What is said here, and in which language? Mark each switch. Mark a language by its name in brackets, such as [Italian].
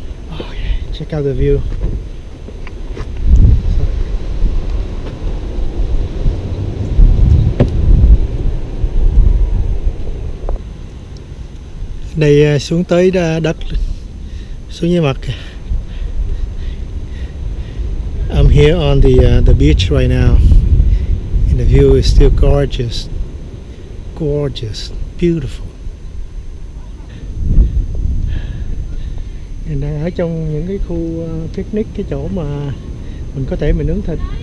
[English] Okay, check out the view. [Vietnamese] Này xuống tới đất, xuống dưới mặt. [English] I'm here on the beach right now, and the view is still gorgeous, gorgeous, beautiful. [Vietnamese] And ở trong những cái khu picnic, cái chỗ mà mình có thể mình nướng thịt.